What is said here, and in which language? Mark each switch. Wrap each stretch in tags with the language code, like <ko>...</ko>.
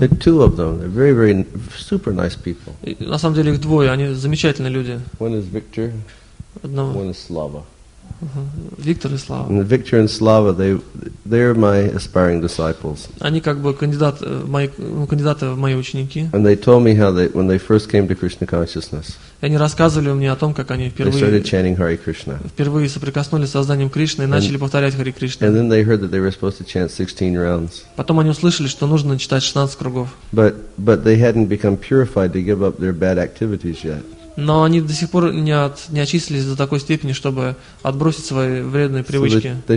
<en>There are two of them. They're very, very super nice people.</en> <ru>И, на самом деле их двое. Они замечательные люди.</ru> <en>One is Victor.</en> <ru>Одного.</ru> <en>One is Slava.</en> <ru>Виктор и Слава.</ru> <en>And Victor and Slava, They are my aspiring disciples.</en> <ru>Они как бы кандидаты в мои ученики.</ru> <en>And they told me how they when they first came to Krishna consciousness.</en> <ru>И они рассказывали мне о том, как они впервые</ru> <en>They started chanting Hare Krishna.</en> <ru>Впервые соприкоснулись с сознанием Кришны и начали повторять Hare Krishna.</ru> <en>And then they heard that they were supposed to chant 16 rounds.</en> <ru>Потом они услышали, что нужно читать 16 кругов.</ru> <en>But they hadn't become purified to give up their bad activities yet.</en> <ru>Но они до сих пор не очистились до такой степени, чтобы отбросить свои вредные привычки.</ru>